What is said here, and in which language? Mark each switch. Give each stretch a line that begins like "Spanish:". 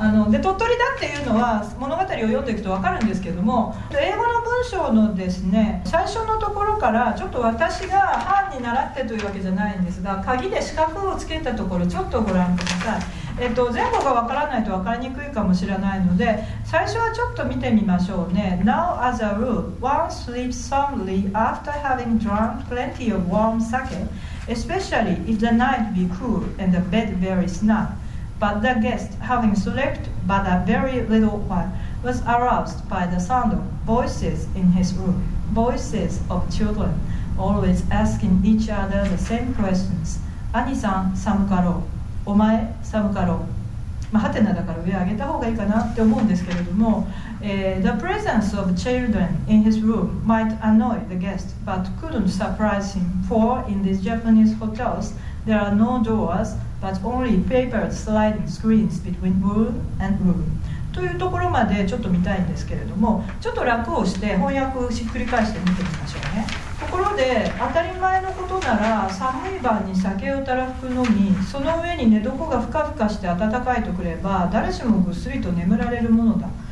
Japanese: で鳥取だっていうのは物語を読んでいくと分かるんですけども、英語の文章のですね、最初のところからちょっと私が藩に習ってというわけじゃないんですが、鍵で四角をつけたところちょっとご覧ください。前後が分からないと分かりにくいかもしれないので、最初はちょっと見てみましょうね。
English: Now as a rule, one sleeps soundly after having drunk plenty of warm sake, especially if the night be cool and the bed very snug. But the guest, having slept but a very little while, was aroused by the sound of voices in his room, voices of children, always asking each other the same questions.
Japanese: Ani-san, samukaro? お前寒かろう、ハテナだから上上げた方がいいかなって思うんですけれども、
English: The presence of children in his room might annoy the guest, but couldn't surprise him, for in these Japanese hotels there are no doors, but only papered sliding screens between room and room.
Japanese: というところまでちょっと見たいんですけれども、ちょっと楽をして翻訳をひっくり返して見てみましょうね。ところで当たり前のことなら寒い晩に酒をたらふく飲み、その上に寝床がふかふかして暖かいとくれば誰しもぐっすりと眠られるものだ。